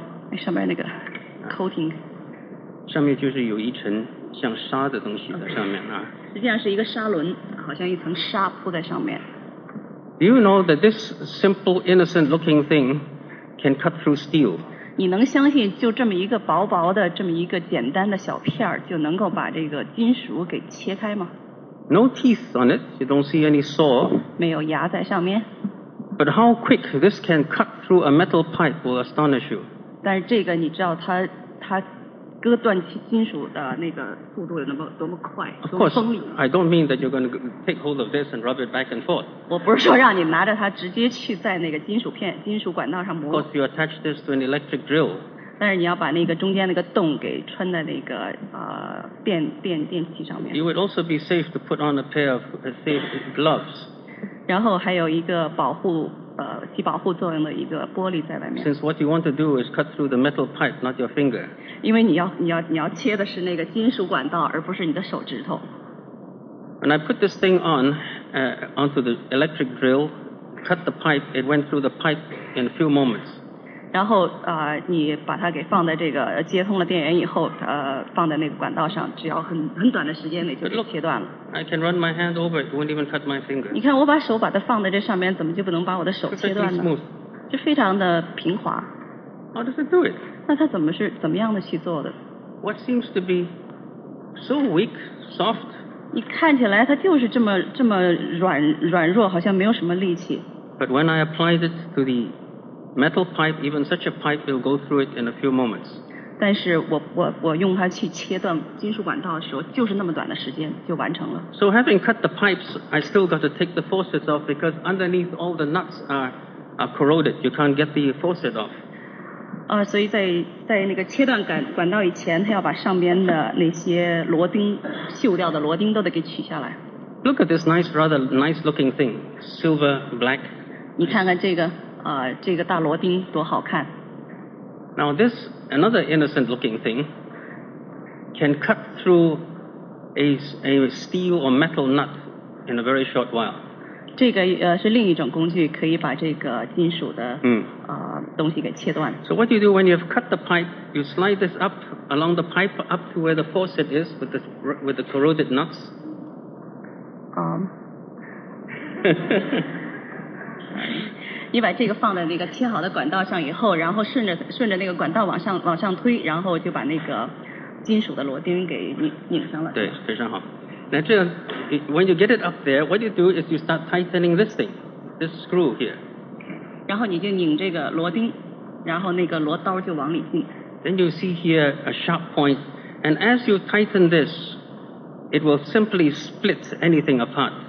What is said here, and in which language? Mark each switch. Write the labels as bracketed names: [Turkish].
[Chinese] 那上边那个 coating. 上面就是有一层像沙的东西在上面啊。实际上是一个沙轮，好像一层沙铺在上面。 [English] Do you know that this simple, innocent-looking thing can cut through steel? [Chinese] 你能相信就这么一个薄薄的、这么一个简单的小片儿就能够把这个金属给切开吗？ [English] No teeth on it. You don't see any saw. [Chinese] 没有牙在上面。 [English] But how quick this can cut through a metal pipe will astonish you. [Chinese] 但是这个你知道它割断金属的那个速度有多么快，多么锋利。 [English] Of course, I don't mean that you're going to take hold of this and rub it back and forth. [Chinese] 我不是说让你拿着它直接去在那个金属管道上磨。 [English] Of course, you attach this to an electric drill. [Chinese] 但是你要把那个中间那个洞给穿在那个电器上面。 [English] You would also be safe to put on a pair of safe gloves. [Chinese] 然后还有一个保护起保护作用的一个玻璃在外面。 [English] Since what you want to do is cut through the metal pipe, not your finger. [Chinese] 因为你要切的是那个金属管道，而不是你的手指头。 [English] When I put this thing onto the electric drill, cut the pipe, it went through the pipe in a few moments. [Chinese] 然后你把它给放在这个接通了电源以后，放在那个管道上，只要很短的时间内就给切断了。 [English] But look, I can run my hand over it, won't even cut my finger. [Chinese] 你看我把手把它放在这上面，怎么就不能把我的手切断呢？ [English] Perfectly smooth. [Chinese] 就非常的平滑。 [English] How does it do it? [Chinese] 那它怎么样的去做的？ [English] What seems to be so weak, soft? [Chinese] 你看起来它就是这么软弱，好像没有什么力气。 [English] But when I applied it to the metal pipe, even such a pipe will go through it in a few moments. [Chinese] 但是我用它去切断金属管道的时候，就是那么短的时间就完成了。 [English] So having cut the pipes, I still got to take the faucets off because underneath all the nuts are corroded. You can't get the faucet off. [Chinese] 所以在那个切断管道以前，他要把上边的那些螺钉锈掉的螺钉都得给取下来。 [English] Look at this nice, rather nice looking thing, silver black. [Chinese] 你看看这个。这个大螺钉多好看。 [English] Now this another innocent looking thing can cut through a steel or metal nut in a very short while. [Chinese] 这个是另一种工具，可以把这个金属的东西给切断。 [English] So what do you do when you have cut the pipe? You slide this up along the pipe up to where the faucet is with the corroded nuts. [Chinese] 你把这个放在那个切好的管道上以后，然后顺着那个管道往上推，然后就把那个金属的螺钉给拧上了。对，非常好。那这样 [English] ，when you get it up there, what you do is you start tightening this thing, this screw here. [Chinese] 然后你就拧这个螺钉，然后那个螺刀就往里进。 [English] Then you see here a sharp point, and as you tighten this, it will simply split anything apart.